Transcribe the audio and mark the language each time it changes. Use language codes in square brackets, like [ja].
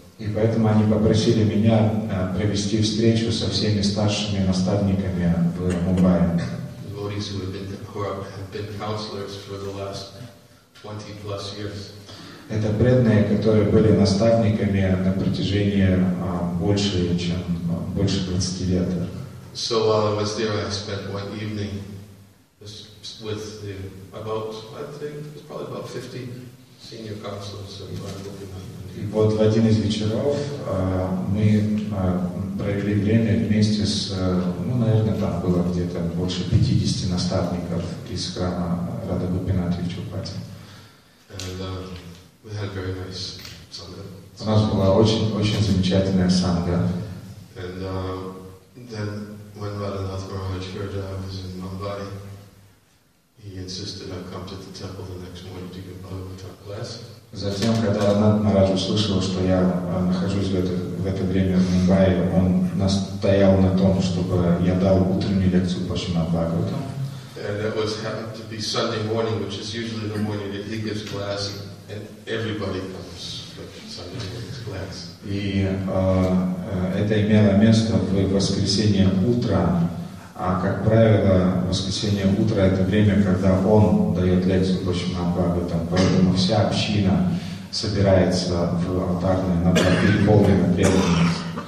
[ru] И поэтому они попросили меня провести встречу со всеми старшими наставниками в Мумбаи. [en] Devotees who have been counselors for the last 20 plus years. [ru] Это преданные, которые были наставниками на протяжении больше 20 лет. [en] So while I was there, I spent one evening with about 50 senior counselors of Mumbai [ru] И вот в один из вечеров мы провели время вместе с, ну, наверное, там было где-то больше 50 наставников из храма Радха Гопинатхи в Чхупати. [en] We had a very nice sangha. [ru] У нас была очень-очень замечательная сангха. [en] And then when Radhanath Maharaj heard that I was in Mumbai, he insisted I come to the temple the next morning to give Bhagavatam class. [ru] Затем, когда Нараджа услышал, что я нахожусь в это время в Мумбаи, он настоял на том, чтобы я дал утреннюю лекцию по Шримад-Бхагаватам. [en] And it was happened to be Sunday morning, which is usually the morning that he gives class, and everybody comes for Sunday morning's class. [ru] И это имело место в воскресенье утро, а как правило, воскресенье утро — это время, когда он дает лекцию по Шримад-Бхагаватам, поэтому вся община собирается в алтарной на переполненной преданности.